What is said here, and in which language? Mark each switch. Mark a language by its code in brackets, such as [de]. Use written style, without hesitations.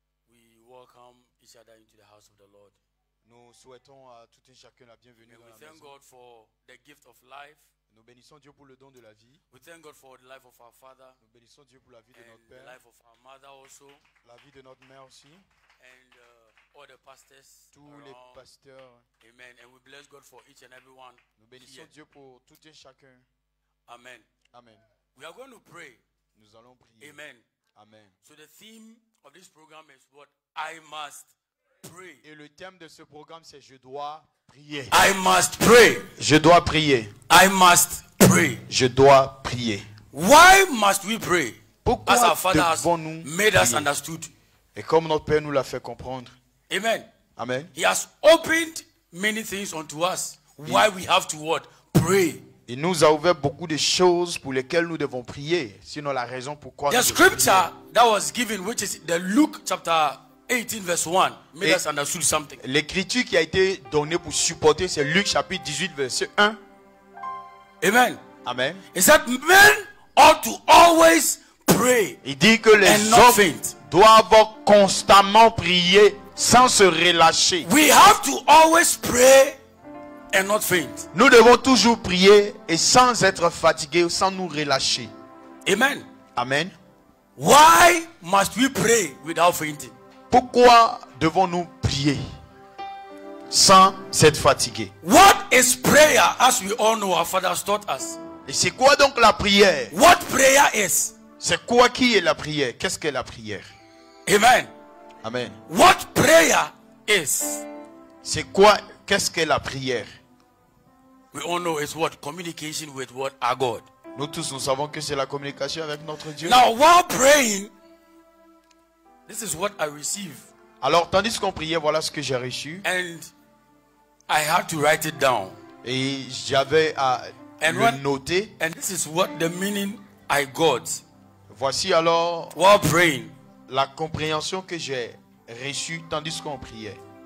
[en] We welcome each other into the house of the Lord. [fr] Nous souhaitons à tout un chacun la bienvenue dans la maison. [en] We thank God for the gift of life. [fr] Nous bénissons Dieu pour le don de la vie. [en] We thank God for the life of our father. [fr] Nous bénissons Dieu pour la vie de notre père. [en] And the life of our mother also. [fr] La vie de notre mère aussi. [en] And all the pastors. [fr] Tous les pasteurs. Amen. [en] And we bless God for each and everyone. [fr] Nous bénissons Dieu pour tout un chacun. Amen. Amen. [en] We are going to pray. [fr] Nous allons prier. Amen. Amen. [en] So the theme of this program is what I must pray. [fr] Et le thème de ce programme c'est je dois prier. [en] I must pray. [fr] Je dois prier. [en] I must pray. [fr] Je dois prier. [en] Why must we pray? [fr] Pourquoi [en] as our Father has [fr] devons nous [en] made [fr] prier? [en] Us understood. [fr] Et comme notre Père nous l'a fait comprendre. Amen. Amen. [en] He has opened many things unto us. Why we have to what? Pray. [fr] Il nous a ouvert beaucoup de choses pour lesquelles nous devons prier, sinon la raison pourquoi [en] the [fr] nous devons prier. [en] The scripture that was given, which is the Luke chapter 18 verse 1, made us understood something. [fr] L'écriture qui a été donnée pour supporter, c'est Luc chapitre 18 verset 1. Amen. Amen. [en] Is that men ought to always pray? [fr] Il dit que les hommes doivent constamment prier sans se relâcher. [en] We have to always pray. And not faint. [fr] Nous devons toujours prier et sans être fatigués, sans nous relâcher. Amen. Amen. [en] Why must we pray without fainting? [fr] Pourquoi devons-nous prier sans être fatigués? [en] What is prayer, as we all know, our fathers taught us? [fr] Et c'est quoi donc la prière? [en] What prayer is? [fr] C'est quoi qui est la prière? Qu'est-ce que la prière? Amen. Amen. [en] What prayer is? [fr] C'est quoi? Qu'est-ce que la prière? [en] We all know it's what communication with what our God. [fr] Nous tous nous savons que c'est la communication avec notre Dieu. [en] Now while praying, this is what I receive. [fr] Alors tandis qu'on priait, voilà ce que j'ai reçu. [en] And I had to write it down. [fr] Et j'avais à [en] and [fr] le noter. [en] And this is what the meaning I got. [fr] Voici alors [en] while praying, [fr] la compréhension que j'ai reçue tandis qu'on priait.